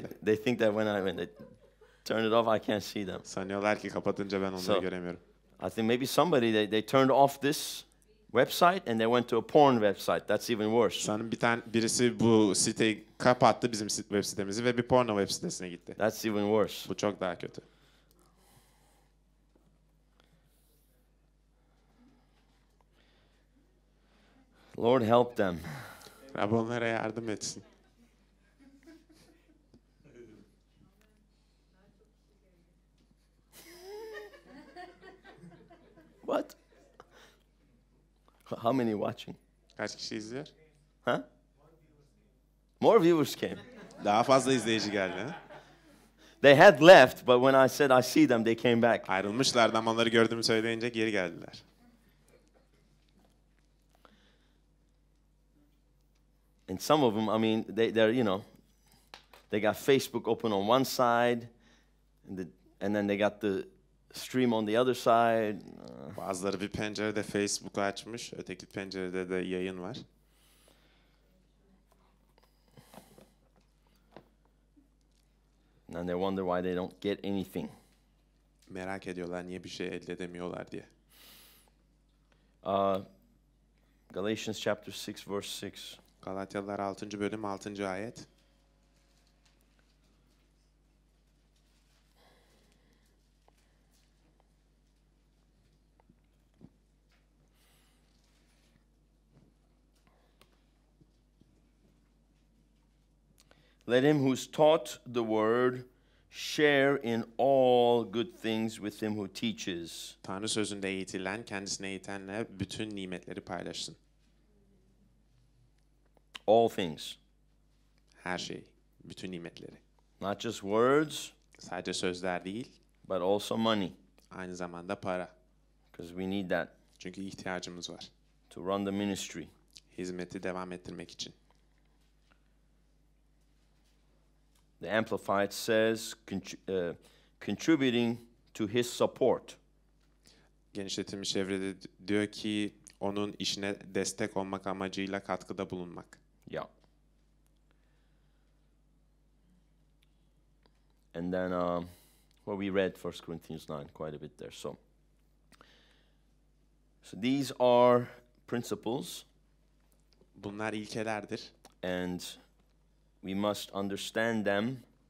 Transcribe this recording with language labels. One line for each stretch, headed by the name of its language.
English: So they think that when they turned it off, I can't see them.
Turkish: Sanıyorlar ki kapatınca ben onları göremiyorum.
English: I think maybe somebody they turned off this website and they went to a porn website. That's even worse.
Turkish: Sanırım birisi bu siteyi kapattı bizim web sitemizi ve bir porno web sitesine gitti.
English: That's even worse.
Turkish: Bu çok daha kötü.
English: Lord help them.
Turkish: Rab onlara yardım etsin.
English: What? How many watching?
Turkish: Kaç kişi izliyor?
English: Huh? More viewers came.
Turkish: Daha fazla izleyici geldi.
English: They had left, but when I said I see them, they came back.
Turkish: Ayrılmışlardı ama onları gördüğümü söyleyince geri geldiler.
English: And some of them, I mean, they're, you know, they got Facebook open on one side, and then they got the stream on the other side.
Turkish: Bazıları bir pencerede Facebook açmış, öteki pencerede de yayın var.
English: And they wonder why they don't get anything.
Turkish: Merak ediyorlar niye bir şey elde edemiyorlar diye.
English: Galatians chapter 6 verse 6.
Turkish: Galatyalılar 6. bölüm 6. ayet.
English: Let him who's taught the word share in all good things with him who teaches.
Turkish: Tanrı sözünde eğitilen kendisine eğitenle bütün nimetleri paylaşsın.
English: All things.
Turkish: Her şey. Bütün nimetleri.
English: Not just words.
Turkish: Sadece sözler değil.
English: But also money.
Turkish: Aynı zamanda para.
English: Because we need that.
Turkish: Çünkü ihtiyacımız var.
English: To run the ministry.
Turkish: Hizmeti devam ettirmek için.
English: The Amplified says contributing to his support.
Turkish: Genişletilmiş çevrede diyor ki onun işine destek olmak amacıyla katkıda bulunmak.
English: Yeah. And then well, we read 1 Corinthians 9 quite a bit there. So these are principles.
Turkish: Bunlar ilkelerdir.
English: And we must understand them.